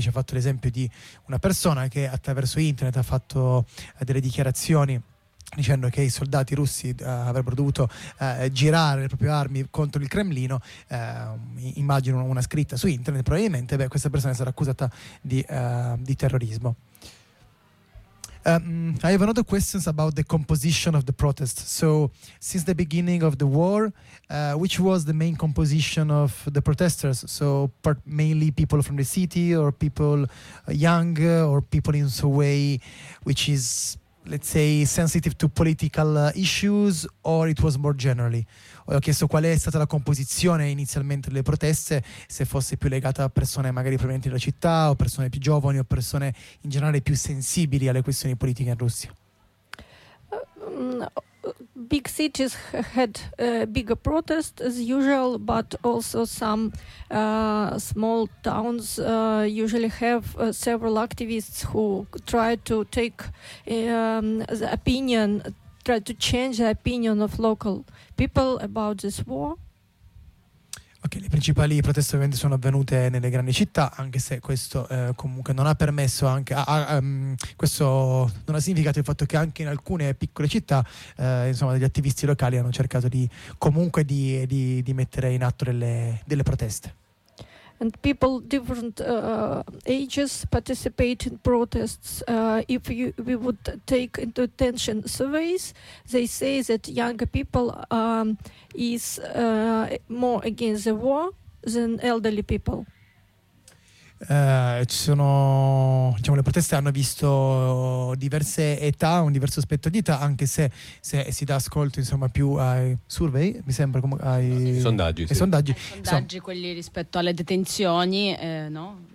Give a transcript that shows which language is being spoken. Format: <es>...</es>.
<it>Ci ha fatto l'esempio di una persona che attraverso internet ha fatto delle dichiarazioni dicendo che i soldati russi avrebbero dovuto girare le proprie armi contro il Cremlino, immagino una scritta su internet, probabilmente questa persona sarà accusata di terrorismo.</it> <en>I have another question about the composition of the protest. So, since the beginning of the war, which was the main composition of the protesters? So, mainly people from the city, or people young, or people in some way which is, let's say, sensitive to political issues, or it was more generally?</en> <it>Ho chiesto qual è stata la composizione inizialmente delle proteste, se fosse più legata a persone magari provenienti dalla città, o persone più giovani, o persone in generale più sensibili alle questioni politiche in Russia.</it> <en>Big cities had bigger protests as usual, but also some small towns usually have several activists who try to take the opinion, try to change the opinion of local people about this war.</en> <it>Okay, le principali proteste ovviamente sono avvenute nelle grandi città, anche se questo comunque non ha permesso anche questo non ha significato il fatto che anche in alcune piccole città insomma degli attivisti locali hanno cercato di mettere in atto delle proteste.</it> <en>And people different ages participate in protests. If we would take into attention surveys, they say that younger people is more against the war than elderly people.</en> <it>Ci sono, diciamo, le proteste hanno visto diverse età, un diverso aspetto di età, anche se si dà ascolto, insomma, più ai survey, mi sembra, come ai sondaggi, ai sondaggi. Ai sondaggi, insomma, quelli rispetto alle detenzioni, no?</it>